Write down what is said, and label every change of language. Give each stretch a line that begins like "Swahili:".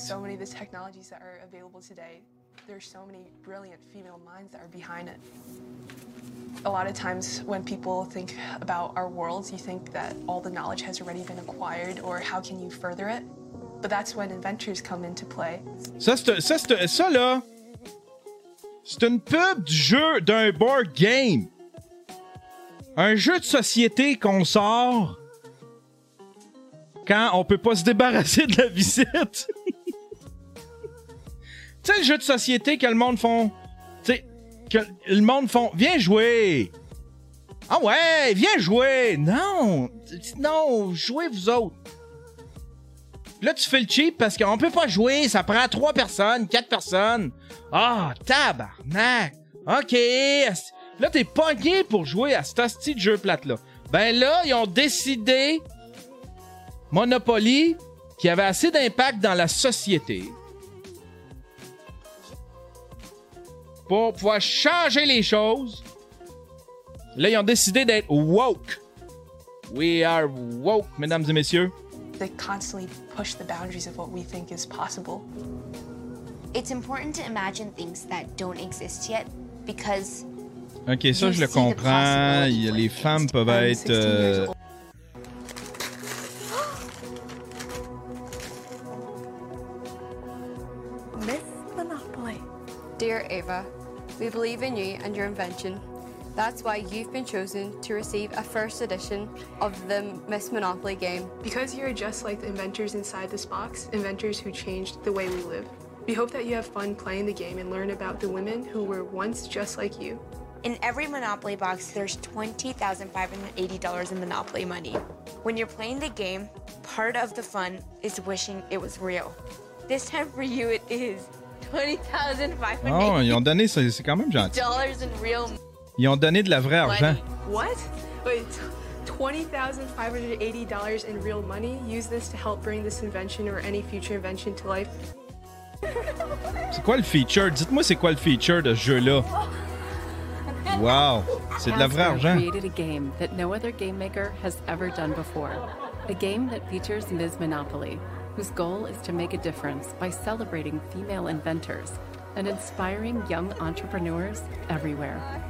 English: So many of the technologies that are available today. There's so many brilliant female minds that are behind it. A lot of times when people think about our worlds, you think that all the knowledge has already been acquired or how can you further it? But that's when inventors come into play.
French: Ça là. C'est une pub du jeu d'un
English: board game.
French: Un jeu de société qu'on sort quand on peut pas se débarrasser de la visite. Tu sais, le jeu de société que le monde font... Tu sais, que le monde font... Viens jouer! Ah ouais, viens jouer! Non, jouez vous autres. Là, tu fais le cheap parce qu'on peut pas jouer. Ça prend 3 personnes, 4 personnes. Ah, tabarnak! OK! Là, t'es pas gay pour jouer à cet hostie de jeu plate-là. Ben là, ils ont décidé... Monopoly, qui avait assez d'impact dans la société... pour pouvoir changer les choses. Là, ils ont décidé d'être woke. We are woke, mesdames et messieurs.
English: They constantly push the boundaries of what we think is possible. It's important to imagine things that don't exist yet because...
French: OK, ça, je le comprends. Les femmes peuvent être...
English: Miss Monopoly. Dear Ava... We believe in you and your invention. That's why you've been chosen to receive a first edition of the Miss Monopoly game. Because you're just like the inventors inside this box, inventors who changed the way we live. We hope that you have fun playing the game and learn about the women who were once just like you. In every Monopoly box, there's $20,580 in Monopoly money. When you're playing the game, part of the fun is wishing it was real. This time for you, it is $20,580.
French: Oh, ils ont donné, c'est quand même gentil.
English: Dollars in real money.
French: Ils ont donné de la vraie argent.
English: What? Wait, $20,580 in real money? Use this to help bring this invention or any future invention to life.
French: C'est quoi le feature? Dites-moi c'est quoi le feature de ce jeu-là. Wow, c'est de la vraie argent.
English: Hasbro created a game that no other game maker has ever done before. A game that features Ms. Monopoly, whose goal is to make a difference by celebrating female inventors and inspiring young entrepreneurs everywhere.